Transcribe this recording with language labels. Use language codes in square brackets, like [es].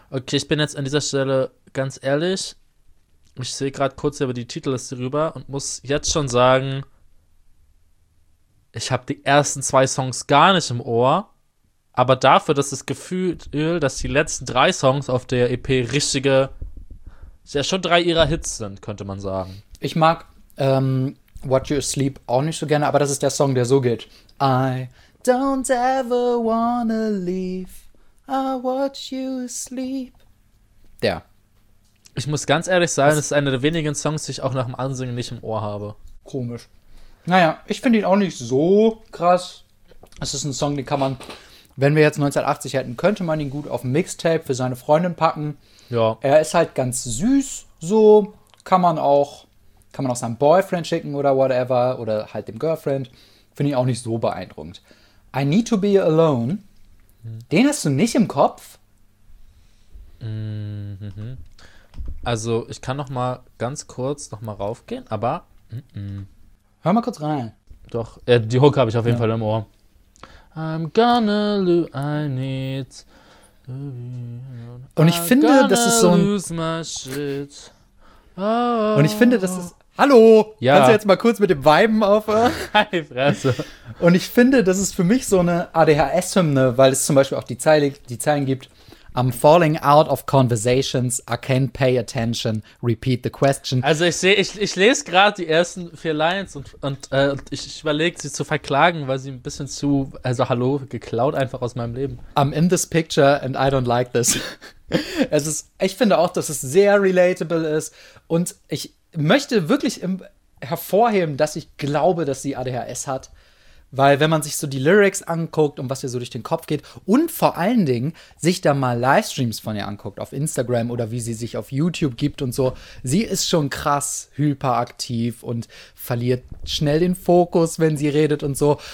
[de] Okay, ich bin jetzt an dieser Stelle ganz ehrlich. Ich sehe gerade kurz über die Titelliste rüber und muss jetzt schon sagen, ich habe die ersten zwei Songs gar nicht im Ohr, aber dafür, dass das Gefühl, dass die letzten drei Songs auf der EP richtige, ja schon drei ihrer Hits sind, könnte man sagen. Ich mag What You Sleep auch nicht so gerne, aber das ist der Song, der so geht. [en] I don't ever wanna leave, I watch you sleep. [de] Der. Ich muss ganz ehrlich sein, das ist einer der wenigen Songs, die ich auch nach dem Ansingen nicht im Ohr habe. Komisch. Naja, ich finde ihn auch nicht so krass. Es ist ein Song, den kann man, wenn wir jetzt 1980 hätten, könnte man ihn gut auf ein Mixtape für seine Freundin packen. Ja. Er ist halt ganz süß, so kann man auch seinem Boyfriend schicken oder whatever, oder halt dem Girlfriend. Finde ich auch nicht so beeindruckend. I Need to Be Alone, den hast du nicht im Kopf? Also, ich kann noch mal ganz kurz noch mal raufgehen, aber Hör mal kurz rein. Doch, die Hook habe ich auf jeden Fall im Ohr. [en] I'm gonna lose, I need to be alone. [de] Und ich finde, das ist so ein [en] lose my shit. Oh. [de] Und ich finde, das ist Hallo! Ja. Kannst du jetzt mal kurz mit dem Viben aufhören? Hi, Fresse. Und ich finde, das ist für mich so eine ADHS-Hymne, weil es zum Beispiel auch die Zeilen gibt. [en] I'm falling out of conversations, I can't pay attention, repeat the question. [de] Also ich lese gerade die ersten vier Lines und ich überlege, sie zu verklagen, weil sie ein bisschen zu, also hallo, geklaut einfach aus meinem Leben. [en] I'm in this picture and I don't like this. [de] Ich finde auch, dass es sehr relatable ist und ich möchte wirklich hervorheben, dass ich glaube, dass sie ADHS hat. Weil wenn man sich so die Lyrics anguckt und was ihr so durch den Kopf geht und vor allen Dingen sich da mal Livestreams von ihr anguckt auf Instagram oder wie sie sich auf YouTube gibt und so, sie ist schon krass hyperaktiv und verliert schnell den Fokus, wenn sie redet und so.